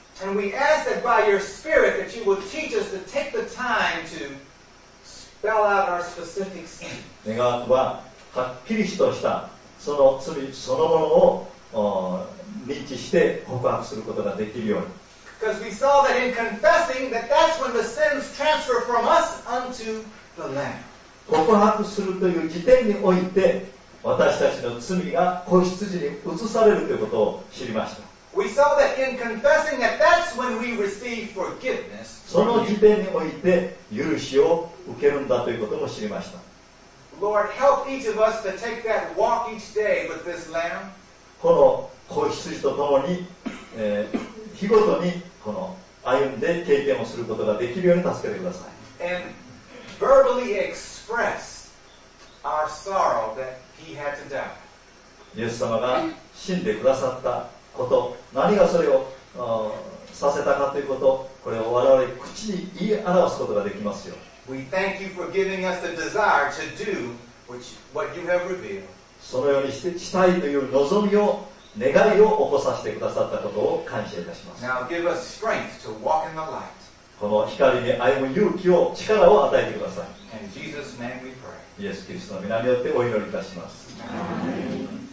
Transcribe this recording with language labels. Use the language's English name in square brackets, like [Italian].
[Japanese] 願わくははっきりとしたその罪そのものを認知して告白することができるように。 [English] Because we saw that in confessing that that's when the sins transfer from us unto the Lamb. [Japanese] 告白するという時点において私たちの罪が子羊に移されるということを知りました。 [English] We saw that in confessing that that's when we receive forgiveness. [Japanese] その時点において許しを受けるんだということも知りました。 [English] Lord, help each of us to take that walk each day with this lamb. [Japanese] この子羊とともに、日ごとにこの歩んで経験をすることができるように助けてください。 [English] And verbally express our sorrow that he had to die. [Japanese] イエス様が死んでくださったこと、何がそれをさせたかということ、これを我々口に言い表すことができますよ。 [English] We thank you for giving us the desire to do what you have revealed. [Japanese] そのようにしてしたいという望みを願いを起こさせてくださったことを感謝いたします。 [English] Now give us strength to walk in the light. [Japanese] この光に歩む勇気を力を与えてください。 [English] In Jesus' name we pray. [Japanese] イエス・キリストの名によってお祈りいたします。